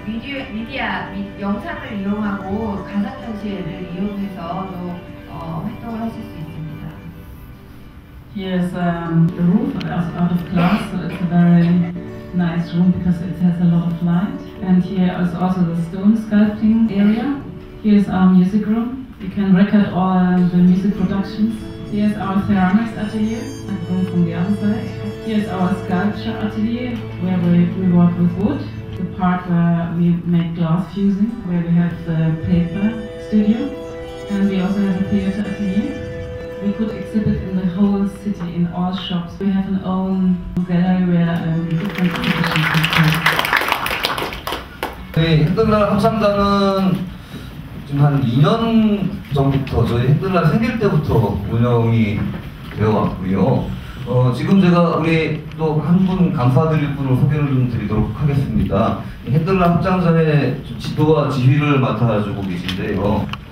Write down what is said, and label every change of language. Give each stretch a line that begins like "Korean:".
Korean: 영상을 이용하고 가상 현실을 이용해서 또 활동을 하실 수 있습니다.
English: Yes, the roof is out of glass, so it's a very nice room because it has a lot of light. And here is also the stone sculpting area. Here is our music room. You can record all the music productions. Here is our ceramics atelier, a room from the other side. Here is our sculpture atelier, where we work with wood. The part where we make glass fusing, where we have the paper studio. And we also have a theater atelier. We could exhibit in the whole city, in all shops. We have an own gallery where different exhibitions can come.
Korean: 저희 핸들러 합창단은 지금 한 2년 전부터 저희 핸들러 생길 때부터 운영이 되어 왔고요. 지금 제가 우리 또 한 분 감사드릴 분을 소개를 좀 드리도록 하겠습니다. 핸들러 합창단의 지도와 지휘를 맡아주고 계신데요.